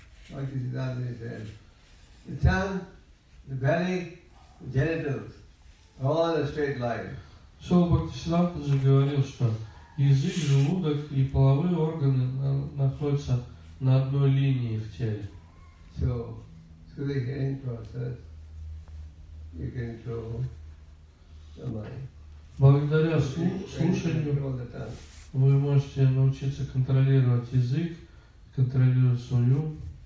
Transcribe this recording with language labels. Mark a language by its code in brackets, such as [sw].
[en] Like the tongue, the belly, the genitals, all on a straight line. [ru] Шрила Бхактисиддханта же говорил, что язык, желудок и половые органы находятся на одной линии в теле. [en] So, through the hearing process, you control the mind. [ru] Благодаря слушанию вы можете научиться контролировать язык, контролировать свой ум.